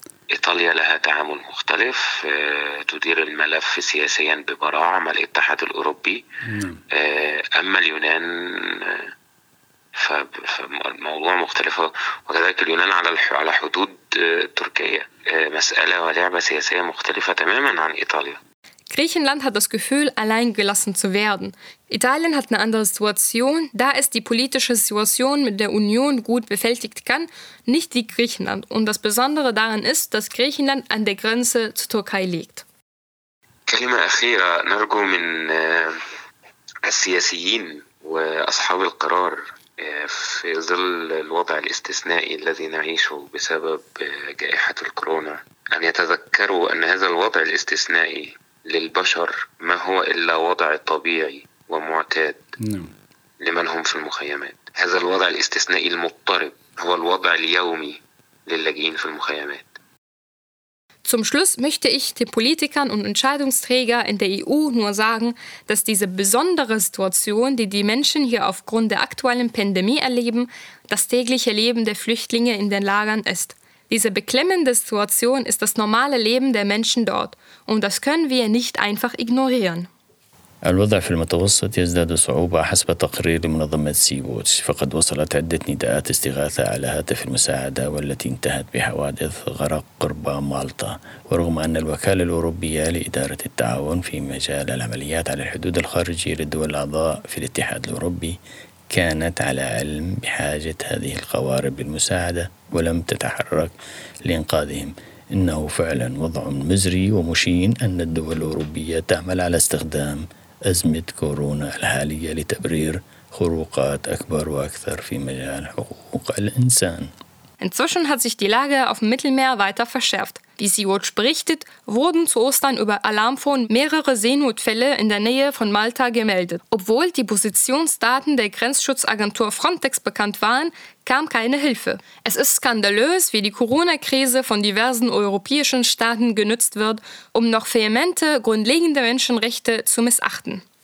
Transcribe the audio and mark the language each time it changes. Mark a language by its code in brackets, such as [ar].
[ar] إيطاليا لها تعامل مختلف تدير الملف سياسيا ببراعة مع الاتحاد الأوروبي. أما اليونان فالموضوع مختلف وكذلك اليونان على حدود تركيا مسألة ولعبة سياسية مختلفة تماما عن إيطاليا. [de] Griechenland hat das Gefühl, allein gelassen zu werden. Italien hat eine andere Situation, da es die politische Situation mit der Union gut bewältigt kann, nicht wie Griechenland. Und das Besondere daran ist, dass Griechenland an der Grenze zur Türkei liegt. [ar] كلمة أخيرة نرجو من السياسيين وأصحاب القرار في ظل الوضع الاستثنائي الذي نعيشه بسبب جائحة الكورونا أن يتذكروا أن هذا الوضع الاستثنائي للبشر ما هو إلا وضع طبيعي ومعتاد لمن هم في المخيمات هذا الوضع الاستثنائي المضطرب هو الوضع اليومي للاجئين في المخيمات. [de] Zum Schluss möchte ich den Politikern und Entscheidungsträgern in der EU nur sagen, dass diese besondere Situation, die die Menschen hier aufgrund der aktuellen Pandemie erleben, das tägliche Leben der Flüchtlinge in den Lagern ist. Diese beklemmende Situation ist das normale Leben der Menschen dort und das können wir nicht einfach ignorieren. [ar] الوضع في المتوسط يزداد صعوبة حسب تقرير منظمة سيبوتش، فقد وصلت عدة نداءات استغاثة على هاتف المساعدة والتي انتهت بحوادث غرق قرب مالطا، ورغم أن الوكالة الأوروبية لإدارة التعاون في مجال العمليات على الحدود الخارجية للدول الأعضاء في الاتحاد الأوروبي كانت على علم بحاجة هذه القوارب للمساعدة ولم تتحرك لإنقاذهم. إنه فعلا وضع مزري ومشين أن الدول الأوروبية تعمل على استخدام أزمة كورونا الحالية لتبرير خروقات أكبر وأكثر في مجال حقوق الإنسان. [de] Inzwischen hat sich die Lage auf dem Mittelmeer weiter verschärft. Wie Sea-Watch berichtet, wurden zu Ostern über Alarmfon mehrere Seenotfälle in der Nähe von Malta gemeldet. Obwohl die Positionsdaten der Grenzschutzagentur Frontex bekannt waren, kam keine Hilfe. Es ist skandalös, wie die Corona-Krise von diversen europäischen Staaten genutzt wird, um noch vehemente, grundlegende Menschenrechte zu missachten.